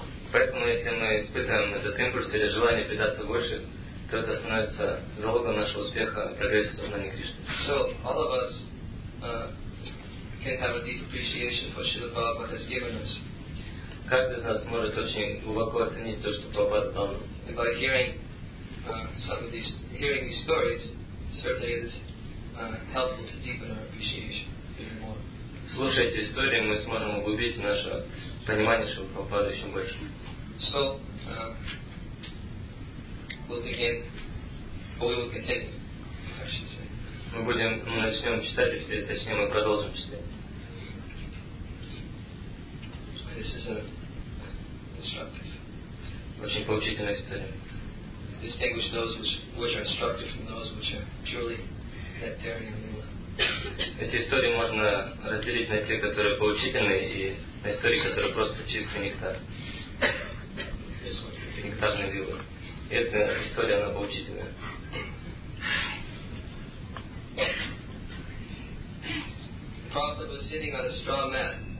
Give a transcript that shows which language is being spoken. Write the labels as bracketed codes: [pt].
[ru] Поэтому, если мы испытываем этот импульс или желание предаться больше, то это становится залогом нашего успеха, прогресса в сознании Кришны. [en] So all of us can have a deep appreciation for Srila Prabhupada has given us. [ru] Каждый из нас может очень глубоко оценить то, что Прабхупада дал нам. [en] By hearing hearing these stories, certainly it is helpful to deepen our appreciation even more. [ru] Слушая эти истории, мы сможем углубить наше понимание Шрилы Прабхупады еще больше. [en] So, we will continue, I should say. [ru] Мы начнем читать, или точнее мы продолжим читать. [en] This is an instructive. [ru] Очень поучительная история. [en] Distinguish those which are instructive from those which are purely nectarian. [ru] Эти истории можно разделить на те, которые поучительные, и на истории, которые просто чистый нектар. Нектарные вилы. Эта история, она поучительная. [en] Prabhupada was sitting on a straw mat.